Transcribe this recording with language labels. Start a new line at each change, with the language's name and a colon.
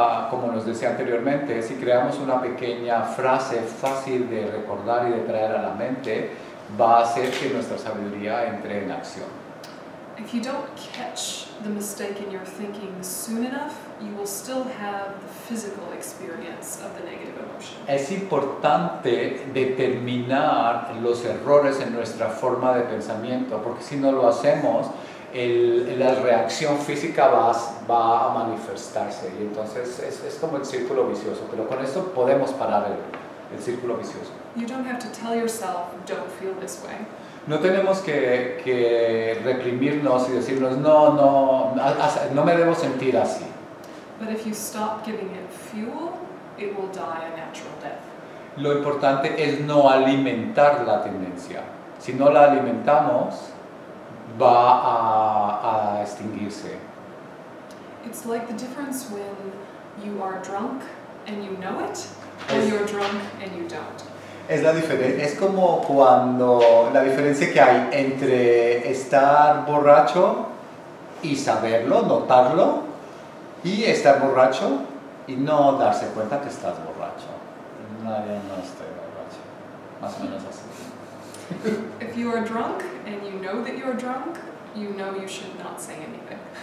Spanish: Como nos decía anteriormente, si creamos una pequeña frase fácil de recordar y de traer a la mente, va a hacer que nuestra sabiduría entre en acción.
English: If you don't catch the mistake in your thinking soon enough, you will still have the physical experience of the negative emotion.
Spanish: Es importante determinar los errores en nuestra forma de pensamiento, porque si no lo hacemos, la reacción física va a manifestarse y entonces es como el círculo vicioso, pero con esto podemos parar el círculo vicioso.
English: You don't have to tell yourself, don't feel this way.
Spanish: No tenemos que reprimirnos y decirnos, no me debo sentir así.
English: But if you stop giving it fuel, it will die a natural death.
Spanish: Lo importante es no alimentar la tendencia. Si no la alimentamos, va a extinguirse.
English: It's like the difference when you are drunk and you know it, or you're drunk and you don't.
Spanish: Es la diferencia, es como cuando la diferencia que hay entre estar borracho y saberlo, notarlo, y estar borracho y no darse cuenta que estás borracho. No estoy borracho. Más o menos así.
English: If you are drunk and you know that you're drunk, you know you should not say anything.